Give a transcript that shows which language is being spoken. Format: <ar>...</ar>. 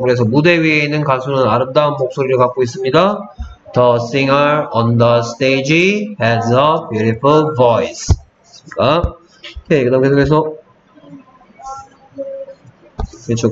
<ko>그래서 무대 위에 있는 가수는 아름다운 목소리를 갖고 있습니다.</ko> <en>The singer on the stage has a beautiful voice.</en> <ko>아? 오케이. 그다음 계속해서 그렇죠.</ko>